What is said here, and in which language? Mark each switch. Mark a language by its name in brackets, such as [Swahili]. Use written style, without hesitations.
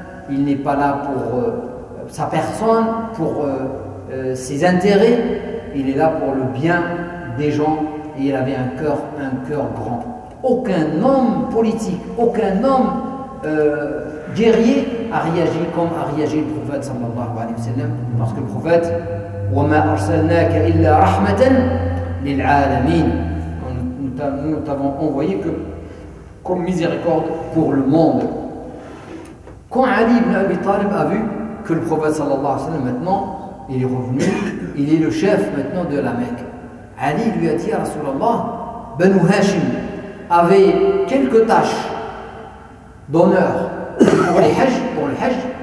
[French] Il n'est pas là pour sa personne, pour ses intérêts. Il est là pour le bien des gens. Et il avait un cœur grand. Aucun homme politique, aucun homme guerrier a réagi comme a réagi le prophète sallallahu alayhi wa sallam. Parce que le prophète, [Arabic] وَمَا أَرْسَلْنَاكَ إِلَّا رَحْمَةً لِلْعَالَمِينَ. [French] Nous t'avons envoyé que comme miséricorde pour le monde. Quand Ali ibn Abi Talib a vu que le prophète sallallahu alayhi wa sallam maintenant, il est revenu, il est le chef maintenant de la Mecque, Ali lui a dit à Rasulallah, Banu Hashim avait quelques tâches d'honneur pour les Hajj, pour le Hajj.